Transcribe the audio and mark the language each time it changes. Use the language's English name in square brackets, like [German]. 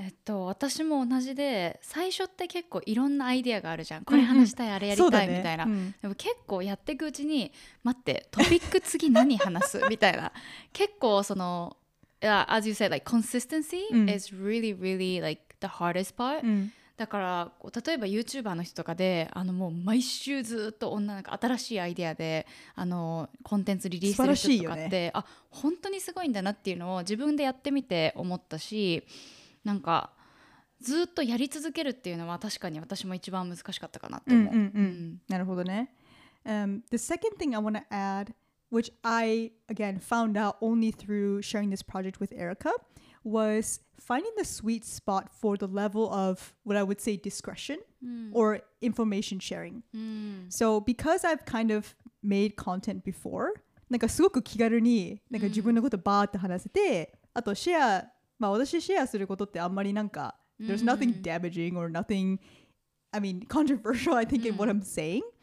[Japanese] 私も同じで、最初って結構いろんなアイディアがあるじゃん。これ話したい、あれやりたいみたいな。でも結構やっていくうちに、待って、トピック次何話すみたいな。結構その、 [English] as you said, like consistency is really, really like the hardest part. [Japanese] だから例えば YouTuber の人とかで、あのもう毎週ずっと女の子新しいアイデアで、あのコンテンツリリースする人とかって、ね、あ本当にすごいんだなっていうのを自分でやってみて思ったし、なんかずっとやり続けるっていうのは確かに私も一番難しかったかなって思う。うんうんうんうん、なるほどね。 [English] The second thing I want to add, which I again found out only through sharing this project with Erica. Was finding the sweet spot for the level of what I would say discretion mm. or information sharing. Mm. So because I've kind of made content before, [Japanese] なんかすごく気軽になんか自分のことバーって話せて、あとシェア、まあ私シェアすることってあんまりなんか [English] there's nothing damaging or nothing, I mean, controversial, I think, in what I'm saying.